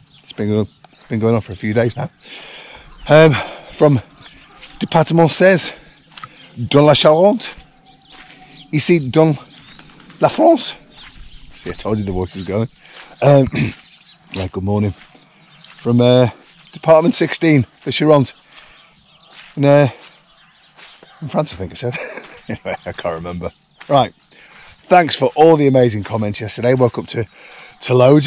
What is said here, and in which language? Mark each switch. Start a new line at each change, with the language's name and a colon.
English: It's been going on for a few days now. From
French: Département 16, dans la Charente, ici dans la France.
English: See, I told you the voice was going. Yeah, good morning. From Department 16, the Charente. In France, I think I said. Anyway, I can't remember. Right. Thanks for all the amazing comments yesterday. Woke up to loads.